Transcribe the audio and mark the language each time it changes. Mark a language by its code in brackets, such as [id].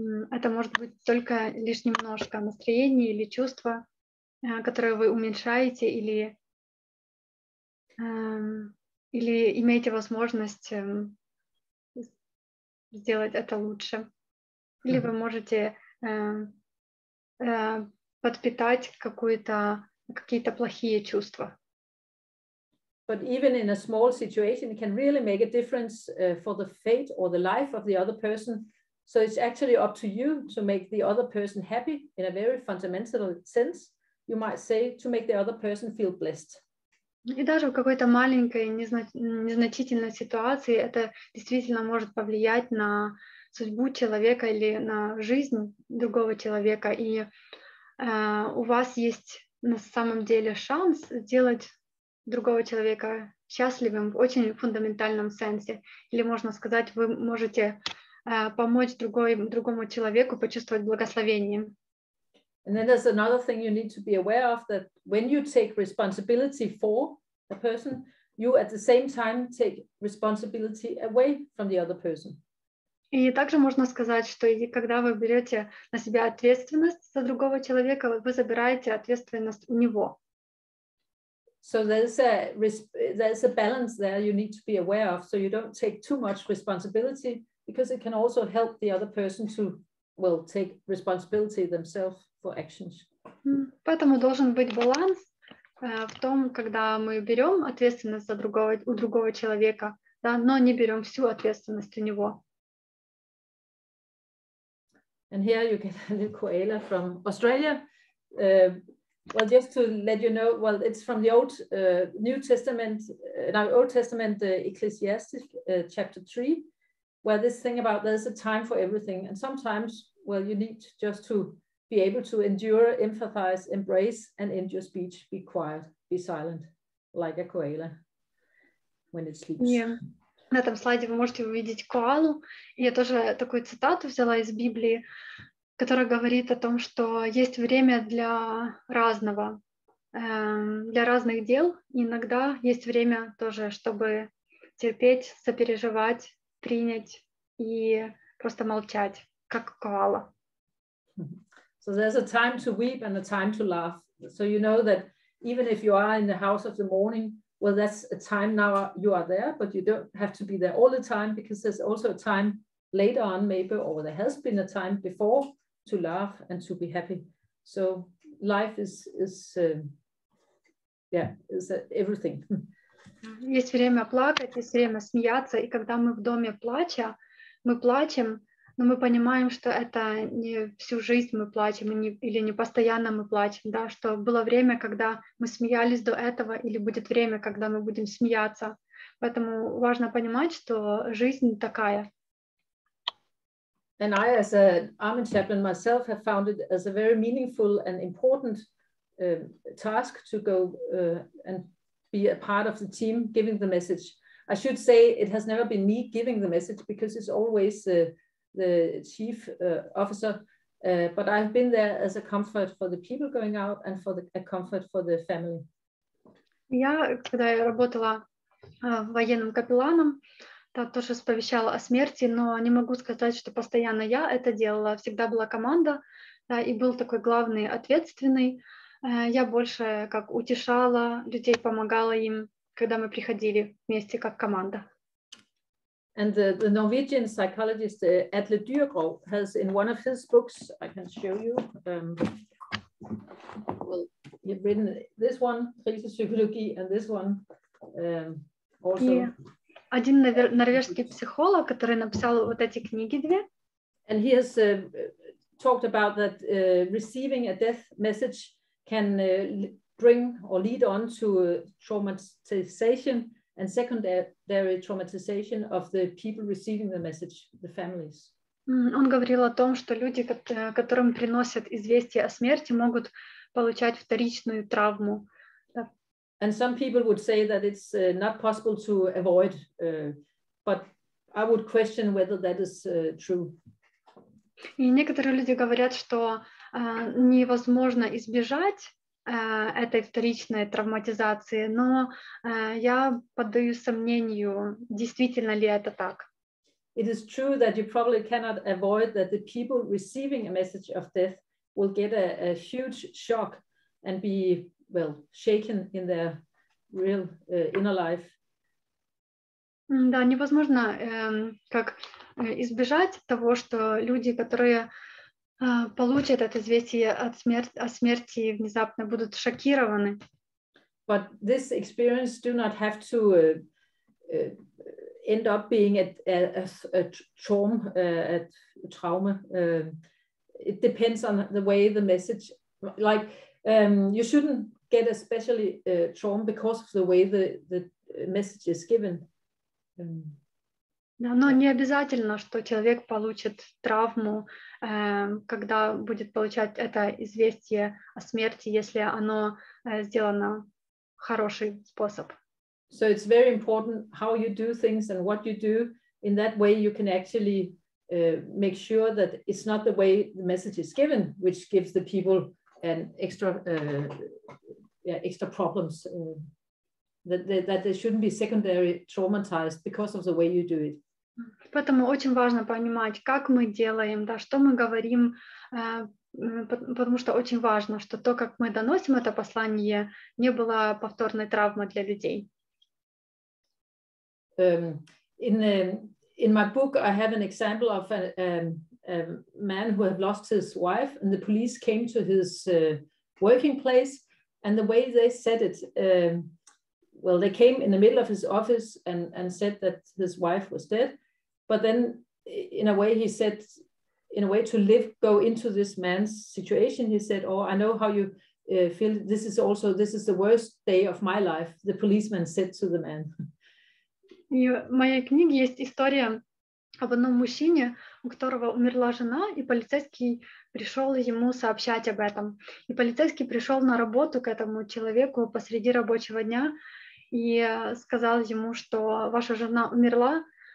[ru] Это может быть только лишь немножко настроение или чувство, которое вы уменьшаете или имеете возможность сделать это лучше. Или вы можете подпитать какие-то плохие чувства. [en] But even in a small situation, it can really make a difference for the fate or the life of the other person. So it's actually up to you to make the other person happy in a very fundamental sense. you might say, to make the other person feel blessed. [ru] И даже в какой-то маленькой незначительной ситуации это действительно может повлиять на судьбу человека или на жизнь другого человека. И у вас есть на самом деле шанс сделать другого человека счастливым в очень фундаментальном сенсе. Или можно сказать, вы можете помочь другому человеку почувствовать благословение. [en] And then there's another thing you need to be aware of, that when you take responsibility for a person, you at the same time take responsibility away from the other person. [ru] И также можно сказать, что когда вы берете на себя ответственность за другого человека, вы забираете ответственность у него. [en] So there's a balance there you need to be aware of, so you don't take too much responsibility, because it can also help the other person to, well, take responsibility themselves for actions. [ru] Поэтому должен быть баланс в том, когда мы берем ответственность за другого, у другого человека, да, но не берем всю ответственность у него. [en] And here you get a little koala from Australia. Well, just to let you know, well, it's from the Old New Testament, now Old Testament, Ecclesiastes, chapter 3, where this thing about there's a time for everything. And sometimes, well, you need just to be able to endure, empathize, embrace, and end your speech, be quiet, be silent, like a koala when it sleeps. Yeah. [ru] На этом слайде вы можете увидеть коалу. Я тоже такую цитату взяла из Библии, которая говорит о том, что есть время для разного, для разных дел. Иногда есть время тоже, чтобы терпеть, сопереживать, принять и просто молчать, как коала. [en] So there's a time to weep and a time to laugh. So you know that even if you are in the house of the mourning, well, that's a time now you are there, but you don't have to be there all the time, because there's also a time later on, maybe, or there has been a time before, to laugh and to be happy. So life is everything. [ru] Есть время плакать, есть время смеяться, и когда мы в доме плача, мы плачем, но мы понимаем, что это не всю жизнь мы плачем, или не постоянно мы плачем, да, что было время, когда мы смеялись до этого, или будет время, когда мы будем смеяться. Поэтому важно понимать, что жизнь такая. [en] And I, as an army chaplain myself, have found it as a very meaningful and important task to go and be a part of the team giving the message. I should say it has never been me giving the message, because it's always the chief officer, but I've been there as a comfort for the people going out and for a comfort for the family. [ru] Я, когда я работала военным капелланом, то тоже сповещала о смерти, но не могу сказать, что постоянно я это делала. Всегда была команда, да, и был такой главный ответственный. Я больше как утешала людей, помогала им, когда мы приходили вместе как команда. [en] And the Norwegian psychologist Atle Dyregrov has in one of his books, I can show you, well, he's written this one, Krisepsykologi, and this one also. Yeah. [ru] Один норвежский психолог, который написал вот эти книги две. [en] And he has talked about that receiving a death message can bring or lead on to traumatization and secondary traumatization of the people receiving the message, the families. [ru] Он говорил о том, что люди, которым приносят известие о смерти, могут получать вторичную травму. [en] And some people would say that it's not possible to avoid, but I would question whether that is true. [ru] И некоторые люди говорят, что невозможно избежать этой вторичной травматизации, но я поддаю сомнению, действительно ли это так. [en] It is true that you probably cannot avoid that the people receiving a message of death will get a huge shock and be, well, shaken in their real inner life. [ru] Да, невозможно как избежать того, что люди, которые получат это известие о смерти и внезапно будут шокированы. [en] But this experience do not have to end up being a trauma. It depends on the way the message, like You shouldn't get especially trauma because of the way the message is given. [ru] Да, но не обязательно, что человек получит травму, когда будет получать это известие о смерти, если оно сделано хороший способ. [en] So it's very important how you do things and what you do. In that way, you can actually make sure that it's not the way the message is given, which gives the people an extra extra problems. That they shouldn't be secondary traumatized because of the way you do it. [ru] Поэтому очень важно понимать, как мы делаем, да, что мы говорим, потому что очень важно, что то, как мы доносим это послание, не было повторной травмой для людей. [en] In my book I have an example of a man who had lost his wife, and the police came to his working place, and the way they said it, well, they came in the middle of his office and said that his wife was dead. But then, in a way, he said, in a way, to live, go into this man's situation, he said, oh, I know how you feel. This is also, this is the worst day of my life, the policeman said to the man. [ru] И в моей книге есть история об одном мужчине, у которого умерла жена, и полицейский пришел ему сообщать об этом. И полицейский пришел на работу к этому человеку посреди рабочего дня и сказал ему, что ваша жена умерла.